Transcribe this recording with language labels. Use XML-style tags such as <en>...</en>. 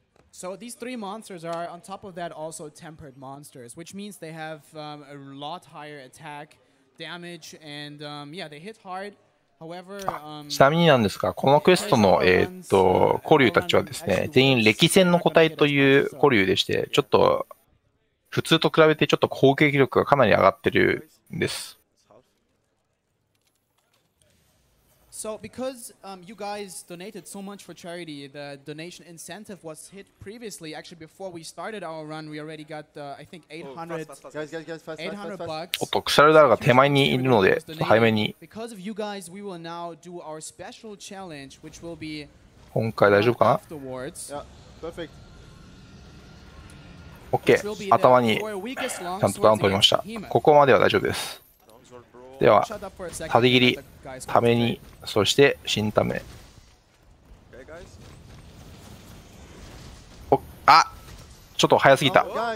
<en>So these three monsters are on top of that also tempered monsters, which means they have a lot higher attack damage and yeah, they hit hard. However,</en> <ja>ちなみになんですが、このクエストの古竜たちはですね、全員歴戦の個体という古竜でして、ちょっと普通と比べてちょっと攻撃力がかなり上がってるんです。</ja> <en>So because you guys donated so much for charity, the donation incentive was hit previously. Actually, before we started our run, we already got I think 800 bucks.</en> <ja>では、縦切り、ためにそして新ため、お、あ、ちょっと早すぎた。</ja>